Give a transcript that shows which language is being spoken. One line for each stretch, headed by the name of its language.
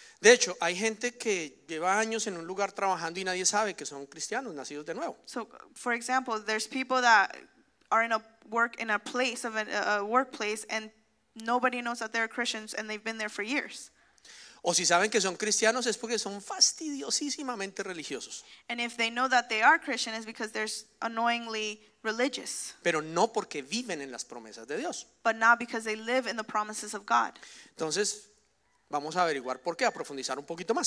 Spanish: De hecho, hay gente que lleva años en un lugar trabajando y nadie sabe que son cristianos, nacidos de nuevo.
English: So, for example, there's people that are in a work in a place of a workplace and nobody knows that they're Christians and they've been there for years.
Spanish: O si saben que son cristianos es porque son fastidiosísimamente religiosos.
English: And if they know that they are Christian is because they're annoyingly religious.
Spanish: Pero no porque viven en las promesas de Dios.
English: But not because they live in the promises of God.
Spanish: Entonces, vamos a averiguar por qué, a profundizar un poquito más.